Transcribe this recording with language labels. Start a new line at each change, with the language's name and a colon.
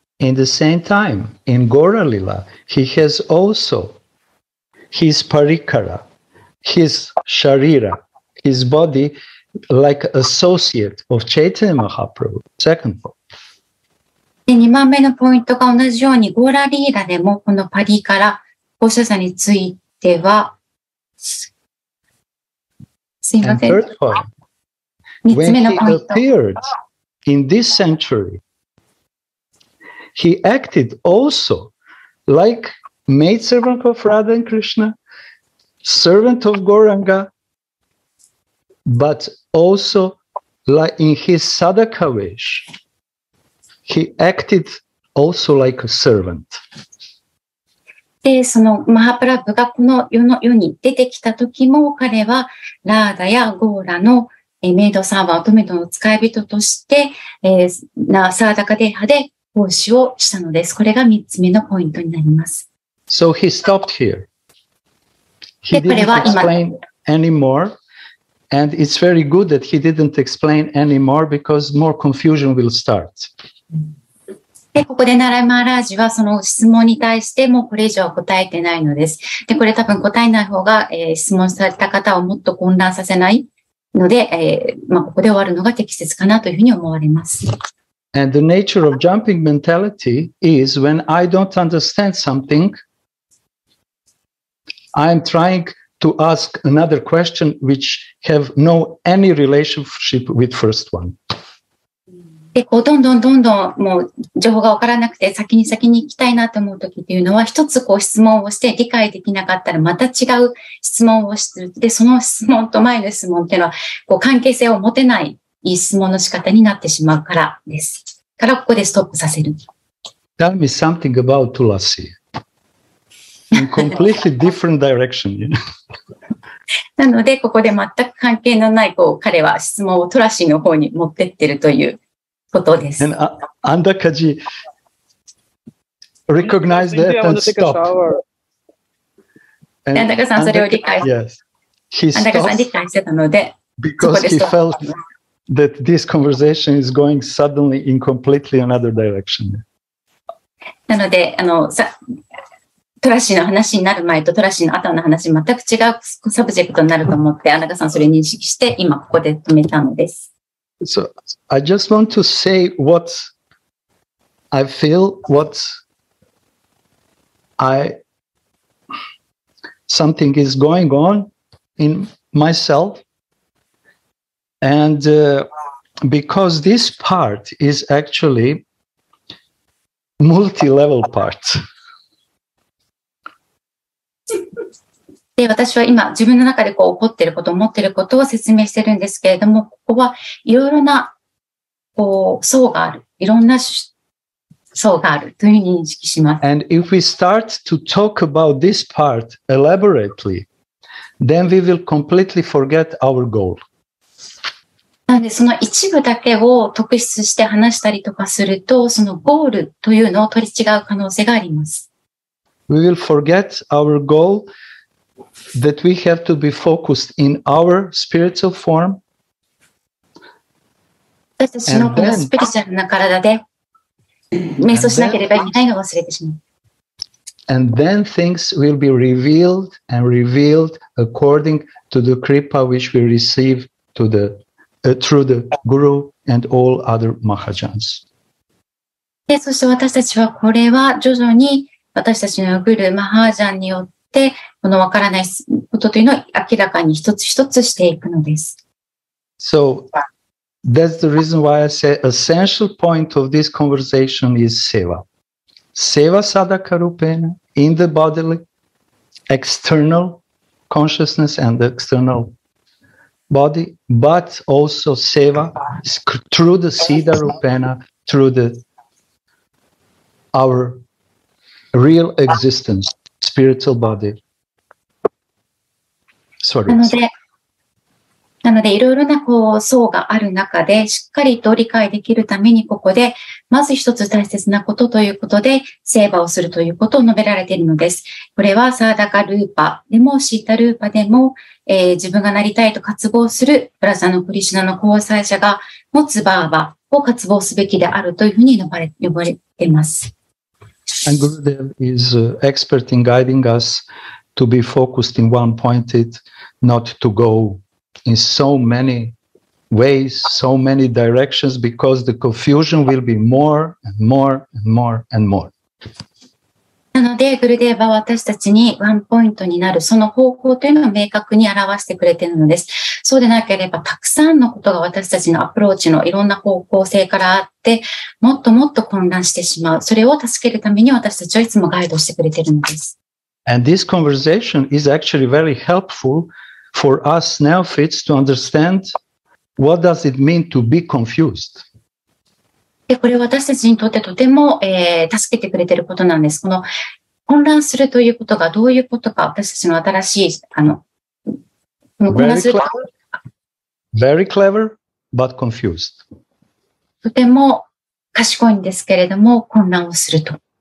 English: In the same time, in Gaura Lila, he has also his parikara, his sharira, his body, like associate of Chaitanya Mahaprabhu. Second point.
Japanese: 2番目のポイントが同じように、ゴーラリーラでもこのパリから、お釈迦については、すいません。
English: Third point.
Japanese: 3つ目のポイント。
English: When he appeared in this century,He acted also like maidservant of Radha and Krishna, servant of Gauranga, but also like in his sadaka wish, he acted also like a servant.
Japanese: で、そのマハプラブがこの世に出てきた時も、彼はラーダやゴーラのメイドサーバー、乙女との使い人として、なサーダカデハで奉仕をしたのです。これが三つ目のポイントになります。
English: So he stopped here. He didn't explain anymore, and it's very good that he didn't explain anymore because more confusion will start.
Japanese: で、ここでナラマラージはその質問に対してもうこれ以上答えてないのです。で、これ多分答えない方が、質問された方をもっと混乱させないので、まあ、ここで終わるのが適切かなというふうに思われます。
English: And the nature of jumping mentality is when I don't understand something, I'm trying to ask another question which have no any relationship with first one.
Japanese: で、こうどんどんどんどんもう情報がわからなくて先に先に行きたいなと思う時っていうのは一つこう質問をして理解できなかったらまた違う質問をしてでその質問と前の質問っていうのはこう関係性を持てない。いい質問の仕方になってしまうからです。からここでストップさせる。
English: Tell me something about Tulasi. In completely different direction.
Japanese: なので、ここで全く関係のない、こう、彼は質問をトラシーの方に持ってってるということです。
English: And Andakaji recognized that and stopped.
Japanese: Andaka さん、それを理解。
English: Yes.
Japanese: Andaka さん、理解してたので、
English: Because he felt. That this conversation is going suddenly in completely another direction.
Japanese: なので、トラシーの話になる前とトラシーの後の話全く違うサブジェクトになると思って、アナカさんそれ認識して今ここで止めたのです。
English: So I just want to say what I feel, what I something is going on in myself. And、because this part is actually multi-level part.
Japanese: で、私は今自分の中でこう起こっていること、思っていることを説明しているんですけれども、ここはいろいろなこう層がある、いろんな層があるという認識します。
English: And if we start to talk about this part elaborately, then we will completely forget our goal.
Japanese: なのでその一部だけを特筆して話したりとかするとそのゴールというのを取り違う可能性があります。
English: We will forget our goal that we have to be focused in our spiritual form.
Japanese: 私たちのこのスピリチュアルな体で瞑想しなければいけないのを忘れてしまう。
English: And then things will be revealed and revealed according to the kripa which we receive to theTrough the guru and all other mahajans.
Japanese: で、そして私たちはこれは徐々に私たちのグルマハージャンによってこのわからないことというのを明らかに一つ一つしていくのです。
English: So that's the reason why I say essential point of this conversation is seva. Seva sadaka rupena in the bodily, external consciousness and external. Body, but also seva through the siddha rupena, through the our real existence, spiritual body. Sorry.
Japanese: なので、なので、いろいろなこう層がある中で、しっかりと理解できるために、ここで、まず一つ大切なことということで、セーバをするということを述べられているのです。これは、サーダカルーパでも、シータルーパでも、自分がなりたいと渇望する、ブラジャのクリシュナの交際者が持つバーバを渇望すべきであるというふうに呼ばれています。
English: And Gurudev is expert in guiding us to be focused in one pointed, not to go in so many ways, so many directions, because the confusion will be more and more and more and more.
Japanese: なので、グルデーバは私たちにワンポイントになるその方法というのを明確に表してくれているのです。そうでなければ、たくさんのことが私たちのアプローチのいろんな方向性からあって、もっともっと混乱してしまう。それを助けるために私たちはいつもガイドしてくれているのです。
English: And this conversation is actually very helpful for us neophytes to understand what does it mean to be confused.
Japanese: で、これは私たちにとってとても、助けてくれていることなんです。この混乱するということがどういうことか、私たちの新しい、
English: Very clever, but confused.
Japanese: とても賢いんですけれども、混乱をすると。